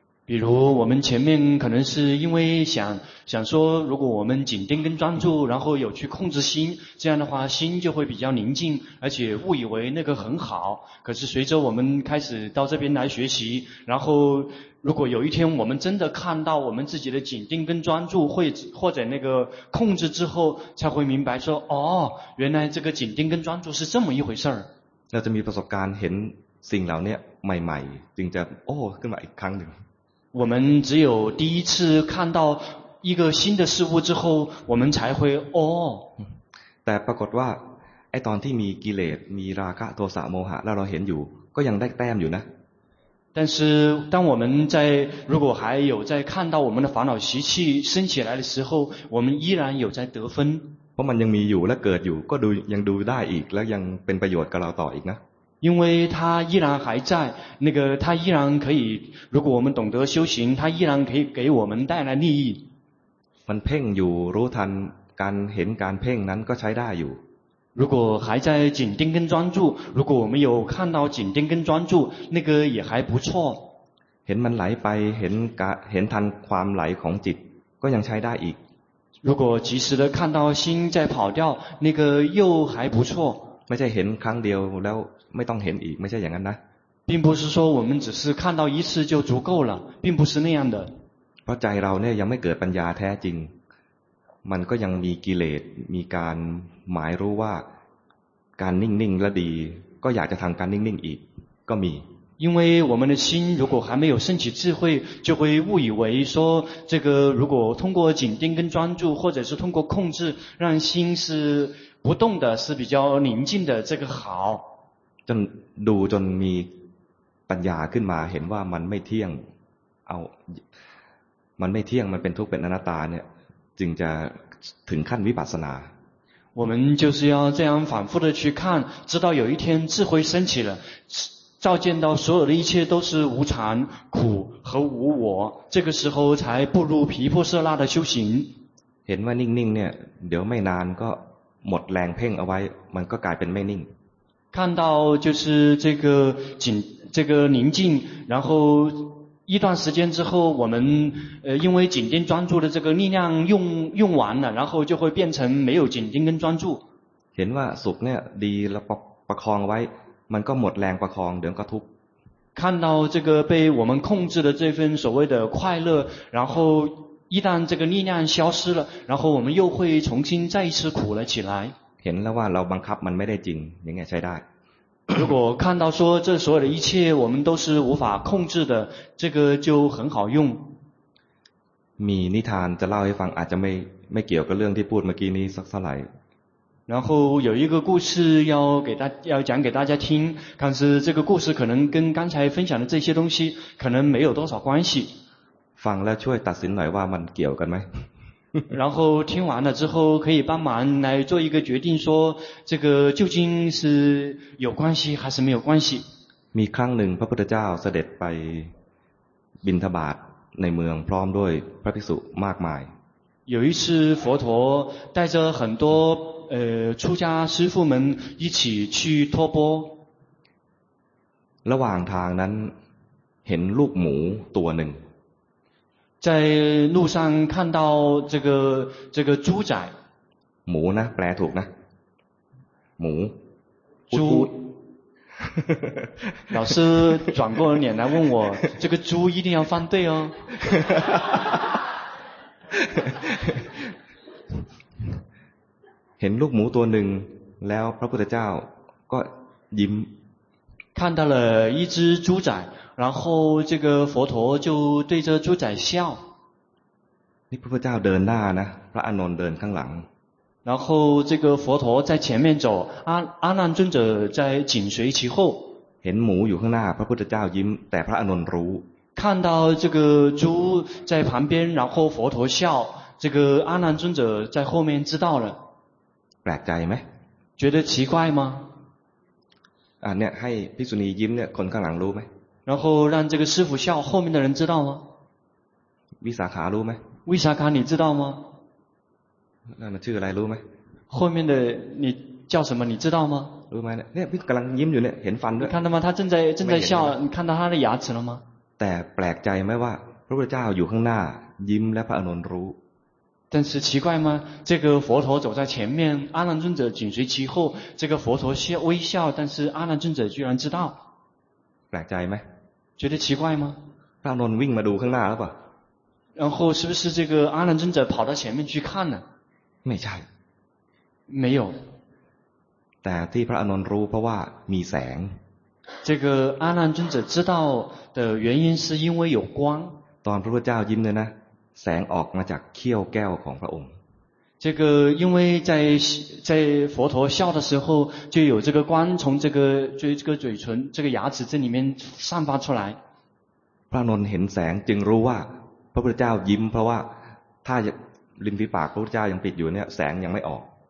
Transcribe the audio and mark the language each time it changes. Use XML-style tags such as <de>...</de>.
<zh>比如我们前面可能是因为想说如果我们紧盯跟专注然后有去控制心这样的话心就会比较宁静而且误以为那个很好可是随着我们开始到这边来学习然后如果有一天我们真的看到我们自己的紧盯跟专注或者那个控制之后才会明白说哦原来这个紧盯跟专注是这么一回事儿那就</zh> <th>มีประสบการณ์เห็นสิ่งเหล่านี้ใหม่ๆจึงจะโอ้ขึ้นมาอีกครั้งหนึ่ง</th> <zh>我们只有第一次看到一个新的事物之后我们才会哦</zh> <th>แต่ปรากฏว่าไอ้ตอนที่มีกิเลสมีราคะโทสะโมหะแล้วเราเห็นอยู่ก็ยังได้แต้มอยู่นะ</th> <zh>但是当我们在如果还有在看到我们的烦恼习气升起来的时候我们依然有在得分</zh> <th>เพราะมันยังมีอยู่และเกิดอยู่ก็ดูยังดูได้อีกและยังเป็นประโยชน์กับเราต่ออีกนะ</th> <zh>因为他依然还在那个他依然可以如果我们懂得修行他依然可以给我们带来利益</zh> <th>มันเพ่งอยู่รู้ทันการเห็นการเพ่งนั้นก็ใช้ได้อยู่</th> <zh>如果还在紧盯跟专注如果我们有看到紧盯跟专注那个也还不错</zh> <th>เห็นมันไหลไปเห็นทันความไหลของจิตก็ยังใช้ได้อีก</th> <zh>如果及时的看到心在跑掉那个又还不错</zh> <th>ไม่ใช่เห็นครั้งเดียวแล้วไม่ต้องเห็นอีกไม่ใช่อย่างนั้นนะ</th> <zh>并不是说我们只是看到一次就足够了并不是那样的</zh> <th>เพราะใจเราเนี่ยยังไม่เกิดปัญญาแท้จริงมันก็ยังมีกิเลสมีการหมายรู้ว่าการนิ่งๆและดีก็อยากจะทำการนิ่งๆอีกก็มี</th> <zh>因为我们的心如果还没有升起智慧就会误以为说这个如果通过紧盯跟专注或者是通过控制让心是不动的是比较宁静的这个好</zh> <th>จนดูจนมีปัญญาขึ้นมาเห็นว่ามันไม่เที่ยงเอามันเป็นทุกข์เป็นอนัตตาเนี่ยจึงจะถึงขั้นวิปัสสนา</th> <zh>我们就是要这样反复的去看直到有一天智慧升起了照见到所有的一切都是无常苦和无我这个时候才步入毗婆舍那的修行</zh> <th>เห็นว่านิ่งๆเนี่ยเดี๋ยวไม่นานก็หมดแรงเพ่งเอาไว้มันก็กลายเป็นไม่นิ่ง</th> <zh>看到就是这个宁静然后一段时间之后我们因为紧盯专注的这个力量用完了然后就会变成没有紧盯跟专注</zh> <th>เห็นว่าสุขเนี่ยดีแล้วประคองไว้มันก็หมดแรงประคองเดี๋ยวก็ทุกข์</th> <zh>看到这个被我们控制的这份所谓的快乐然后一旦这个力量消失了然后我们又会重新再一次苦了起来</zh> <th>เห็นแล้วว่าเราบังคับมันไม่ได้จริงยังไงใช้ได้</th> <zh>如果看到说这所有的一切我们都是无法控制的这个就很好用</zh> <th>มีนิทานจะเล่าให้ฟังอาจจะไม่เกี่ยวกับเรื่องที่พูดเมื่อกี้นี้สักเท่าไหร่</th> <zh>然后有一个故事要讲给大家听但是这个故事可能跟刚才分享的这些东西可能没有多少关系</zh> <th>ฟังแล้วช่วยตัดสินหน่อยว่ามันเกี่ยวกันไหม</th> <zh>然后听完了之后可以帮忙来做一个决定说这个究竟是有关系还是没有关系</zh> <th>มีครั้งหนึ่งพระพุทธเจ้าเสด็จไปบิณฑบาตในเมืองพร้อมด้วยพระภิกษุมากมาย</th> <zh>有一次佛陀带着很多出家师父们一起去托钵</zh> <th>ระหว่างทางนั้นเห็นลูกหมูตัวหนึ่ง</th> <zh>在路上看到这个猪仔</zh> <th>หมูนะแปลถูกนะหมู</th> <zh>猪老师转过脸来问我这个猪一定要翻对哦</zh> <th>เห็นลูกหมูตัวหนึ่งแล้วพระพุทธเจ้าก็ยิ้ม</th> <zh>看到了一只猪仔然后这个佛陀就对着猪仔笑</zh> <th>นี่พระพุทธเจ้าเดินหน้านะพระอานนท์เดินข้างหลัง</th> <zh>然后这个佛陀在前面走，阿难尊者在紧随其后。</zh> <th>เห็นหมูอยู่ข้างหน้าพระพุทธเจ้ายิ้มแต่พระอนุนรู้</th> <zh>看到这个猪在旁边然后佛陀笑这个阿难尊者在后面知道了</zh> <th>แปลกใจไหม</th> <zh>觉得奇怪吗</zh> <th>เนี่ยให้ภิกษุณียิ้มเนี่ยคนข้างหลังรู้ไหม</th> <zh>然后让这个师父笑后面的人知道吗</zh> <th>วิสาขารู้ไหม</th> <zh>วิสาขา你知道吗</zh> <th>นั่นชื่ออะไรรู้ไหม</th> <zh>后面的你叫什么你知道吗</zh> <th>รู้ไหมเนี่ยพี่กำลังยิ้มอยู่เนี่ยเห็นฟันด้วย</th> <zh>看到吗他正在笑你看到他的牙齿了吗</zh> <th>แต่แปลกใจไหมว่าพระพุทธเจ้าอยู่ข้างหน้ายิ้มและพระอานนท์รู้</th> <zh>但是奇怪吗这个佛陀走在前面阿难尊者紧随其后这个佛陀笑微笑但是阿难尊者居然知道</zh> <th>แปลกใจไหม</th> <zh>觉得奇怪吗</zh> <th>พระอานนท์วิ่งมาดูข้างหน้าแล้วป่ะ</th> <zh>然后是不是这个阿难尊者跑到前面去看呢</zh> <th>ไม่ใช่</th> <zh>没有</zh> <th>แต่ที่พระอนุนรู้เพราะว่ามีแสง</th> <zh>这个阿难尊者知道的原因是因为有光</zh> <th>ตอนพระพุทธเจ้ายิ้มเลยนะแสงออกมาจากเขี้ยวแก้วของพระองค์</th> <zh>这个因为在佛陀笑的时候就有这个光从这个嘴唇这个牙齿这里面散发出来</zh> <th>พระอนุนเห็นแสงจึงรู้ว่าพระพุทธเจ้ายิ้มเพราะว่าถ้าริมฝีปากพระพุทธเจ้ายังปิดอยู่เนี่ยแสงยังไม่ออก</th>